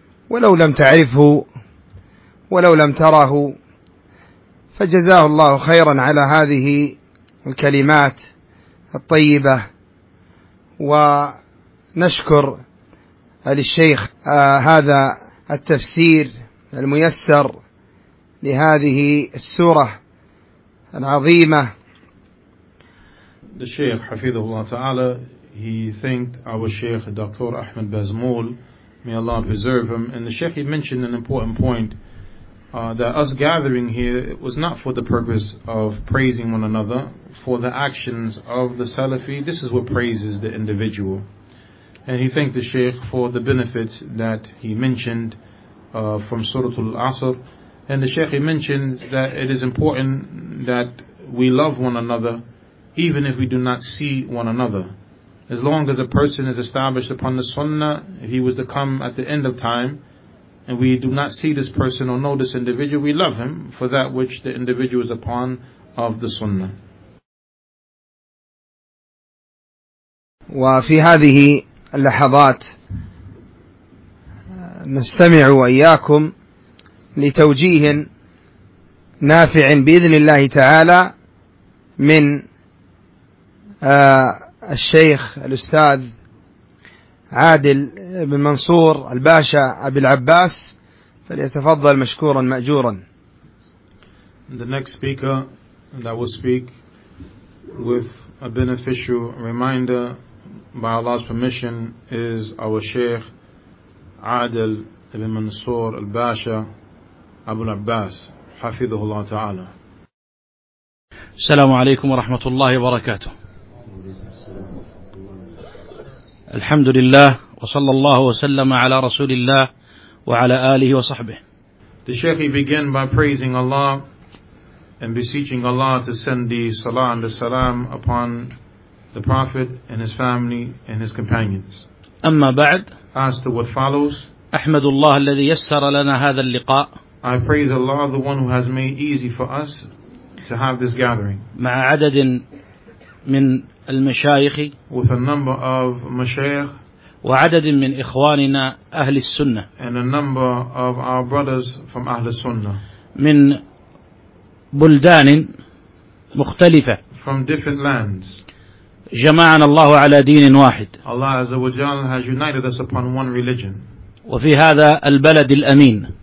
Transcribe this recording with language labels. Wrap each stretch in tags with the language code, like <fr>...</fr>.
<ar>ولو لم تعرفه ولو لم تره فجزاه الله خيرا على هذه الكلمات الطيبة ونشكر للشيخ هذا التفسير الميسر لهذه السورة العظيمة الشيخ حفظه الله تعالى</ar> <en>he thanked our Sheikh Dr. Ahmed Bazmul may Allah preserve him and the Sheikh mentioned an important point that us gathering here it was not for the purpose of praising one another for the actions of the Salafi this is what praises the individual and he thanked the Sheikh for the benefits that he mentioned from Surah Al-Asr and the Sheikh he mentioned that it is important that we love one another even if we do not see one another as long as a person is established upon the Sunnah if he was to come at the end of time and we do not see this person or know this individual, we love him for that which the individual is upon of the sunnah.</en> <ar>وفي هذه اللحظات نستمع وإياكم لتوجيه نافع بإذن الله تعالى من الشيخ الأستاذ عادل بن منصور الباشا أبي العباس فليتفضل مشكورا مأجورا</ar> <en>The next speaker that will speak with a beneficial reminder by Allah's permission is our Sheikh عادل بن منصور الباشا أبو العباس</en> <ar>حفظه الله تعالى السلام عليكم ورحمة الله وبركاته الحمد لله وصلى الله وسلم على رسول الله وعلى آله وصحبه</ar> <en>The Sheikh began by praising Allah and beseeching Allah to send the salah and the salam upon the Prophet and his family and his companions.</en> <ar>أما بعد</ar> <en>As to what follows</en> <ar>أحمد الله الذي يسر لنا هذا اللقاء</ar> <en>I praise Allah the one who has made easy for us to have this gathering.</en> <ar>مع عدد من المشايخ</ar> <en>with a number of مشايخ</en> <ar>وعدد من إخواننا أهل السنة</ar> <en>and a number of our brothers from أهل السنة</en> <ar>من بلدان مختلفة</ar> <en>from different lands</en> <ar>جمعنا الله على دين واحد</ar> <en>Allah</en> <ar>عز وجل</ar> <en>has united us upon one religion</en> <ar>وفي هذا البلد الأمين</ar>